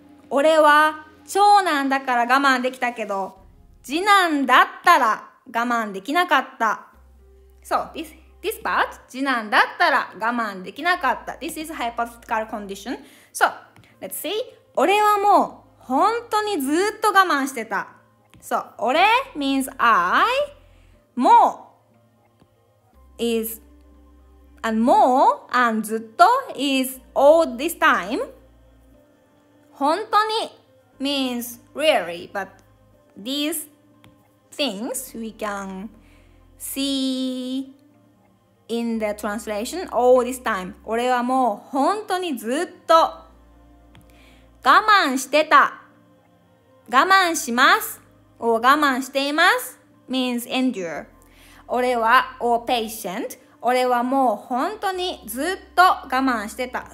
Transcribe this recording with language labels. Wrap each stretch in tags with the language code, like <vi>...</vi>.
<ja>俺は長男だから我慢できたけど、次男だったら我慢できなかった。</ja> <en>So, this part,</en> <ja>次男だったら我慢できなかった。</ja> <en>This is hypothetical condition. So, let's see.</en> <ja>俺はもう本当にずっと我慢してた。</ja> <en>So, 俺 means I, もう is, and more, and ずっと is all this time. 本当に means really, but these things we can see in the translation all this time.</en> <ja>俺はもう本当にずっと我慢してた。</ja> <en>我慢します。or 我慢しています。means endure. 俺は or patient.</en> <ja>俺はもう本当にずっと我慢してた。</ja>